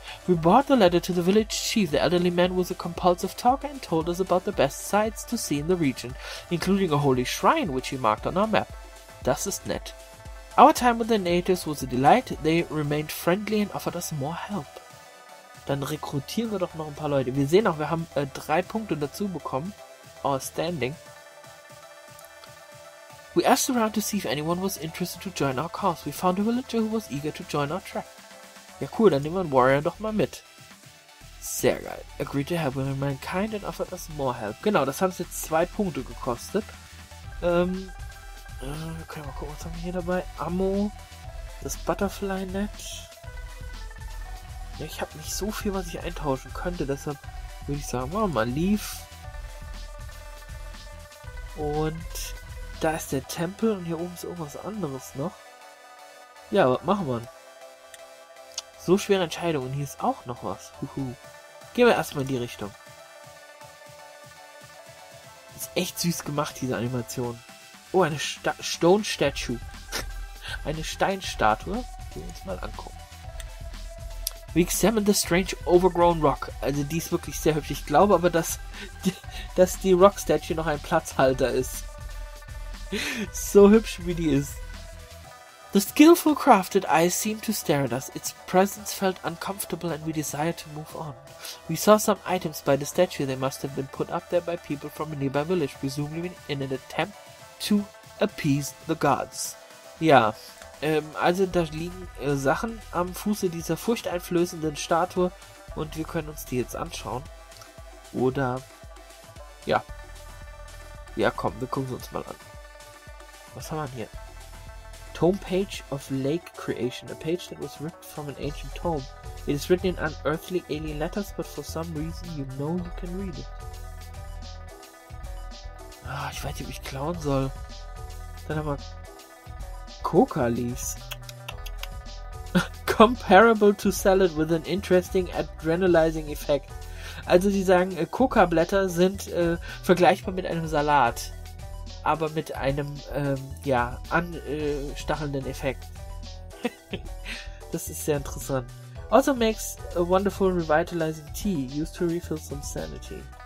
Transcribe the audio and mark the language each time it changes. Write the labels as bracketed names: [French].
[English] We brought the letter to the village chief. The elderly man was a compulsive talker and told us about the best sights to see in the region, including a holy shrine, which he marked on our map. [German] Das ist nett. [English] Our time with the natives was a delight. They remained friendly and offered us more help. [German] Dann rekrutieren wir doch noch ein paar Leute. Wir sehen auch, wir haben 3 Punkte dazu bekommen. [English] Outstanding. We asked around to see if anyone was interested to join our cause. We found a villager who was eager to join our track. [German] Ja cool, dann nehmen wir einen Warrior doch mal mit. Sehr geil. [English] Agreed to help with mankind and offered us more help. [German] Genau, das haben es jetzt 2 Punkte gekostet. Können wir mal gucken, was haben wir hier dabei? Ammo, das Butterfly-Net. Ja, ich habe nicht so viel, was ich eintauschen könnte, deshalb würde ich sagen, machen wir mal Leaf. Und da ist der Tempel und hier oben ist irgendwas anderes noch. Ja, was machen wir? So schwere Entscheidung und hier ist auch noch was. Huhu. Gehen wir erstmal in die Richtung. Ist echt süß gemacht, diese Animation. Oh, eine Stone Statue. Eine Steinstatue. Gehen wir uns mal angucken. [English] We examine the strange overgrown rock. [German] Also die ist wirklich sehr hübsch. Ich glaube aber, dass die Rock Statue noch ein Platzhalter ist. So hübsch wie die ist. [English] The skillful crafted eyes seemed to stare at us. Its presence felt uncomfortable and we desired to move on. We saw some items by the statue. They must have been put up there by people from a nearby village, presumably in an attempt to appease the gods. [German] Ja, also da liegen Sachen am Fuße dieser furchteinflößenden Statue und wir können uns die jetzt anschauen. Oder, ja. Ja, komm, wir gucken sie uns mal an. Was haben wir hier? [English] Tome Page of Lake Creation, a page that was ripped from an ancient tome. It is written in unearthly alien letters, but for some reason you know you can read it. [German] Ah, ich weiß nicht, ob ich klauen soll. Dann haben wir Coca Leaves. [English] Comparable to salad with an interesting adrenalizing effect. [German] Also sie sagen, Coca-Blätter sind vergleichbar mit einem Salat. Aber mit einem, anstachelnden Effekt. Das ist sehr interessant. [English] Also makes a wonderful revitalizing tea, used to refill some sanity.